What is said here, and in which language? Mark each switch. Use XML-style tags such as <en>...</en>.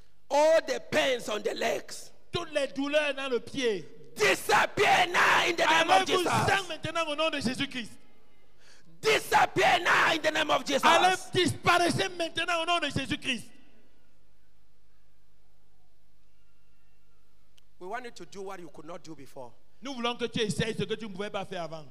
<en>All the pains on the legs.</en> <fr>Toutes les douleurs dans le pied.</fr> <en>Disappear now in the name of Jesus.</en> <fr>Allez-vous-en maintenant au nom de Jésus-Christ.</fr> <en>Disappear now in the name of Jesus.</en> <fr>Allez disparaître maintenant au nom de Jésus-Christ.</fr> <en>We want you to do what you could not do before.</en> <fr>Nous voulons que tu essayes ce que tu ne pouvais pas faire avant.</fr>